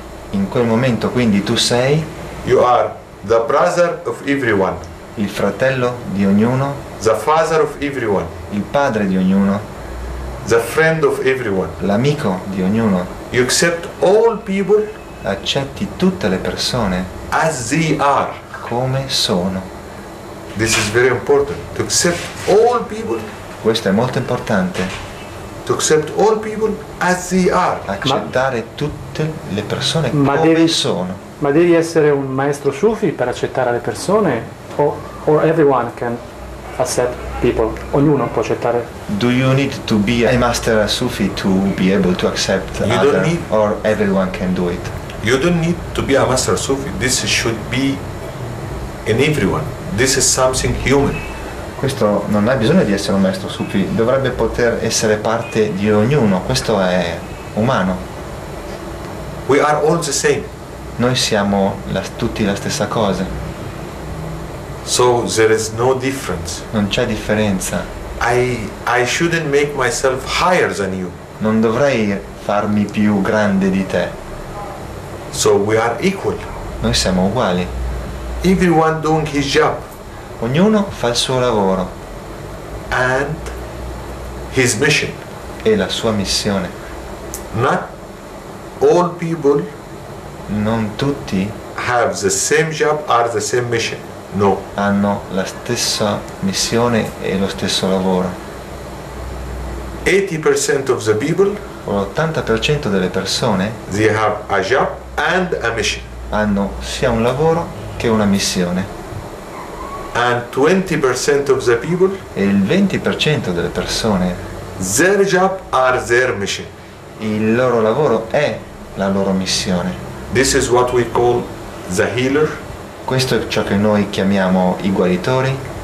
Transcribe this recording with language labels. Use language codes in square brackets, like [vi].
[it] in quel momento quindi tu sei, [en] you are the brother of everyone, [it] il fratello di ognuno, [en] the father of everyone, [it] il padre di ognuno, [en] the friend of everyone, [it] l'amico di ognuno. [en] You accept all people, [it] accetti tutte le persone [en] as they are, [it] come sono. [en] This is very important, to accept all people, [it] questo è molto importante, [en] to accept all people as they are, [it] accettare tutte le persone come sono. Ma devi essere un maestro sufi per accettare le persone, [en] or everyone can accept people, [it] ognuno può accettare. [en] Do you need to be a master sufi to be able to accept others, or everyone can do it? You don't need to be a master sufi, this should be in everyone, this is something human. [it] Questo non ha bisogno di essere un maestro sufi, dovrebbe poter essere parte di ognuno, questo è umano. [en] We are all the same. [it] Noi siamo tutti la stessa cosa. [en] So there is no difference. [it] Non c'è differenza. [en] I shouldn't make myself higher than you. [it] Non dovrei farmi più grande di te. [en] So we are equal. [it] Noi siamo uguali. [en] Everyone doing his job. [it] Ognuno fa il suo lavoro. [en] And his mission. [it] E la sua missione. [en] Not all people. [it] Non tutti. [en] Have the same job or the same mission. No. [it] Hanno la stessa missione e lo stesso lavoro. [en] 80% of the people, [it] l'80% delle persone, [en] they have a job and a mission. [it] Hanno sia un lavoro che una missione. [en] And 20% of the people, [it] e il 20% delle persone, [en] their job are their mission. [it] Il loro lavoro è la loro missione. [en] This is what we call the healer. [it] Questo è ciò che noi chiamiamo i guaritori,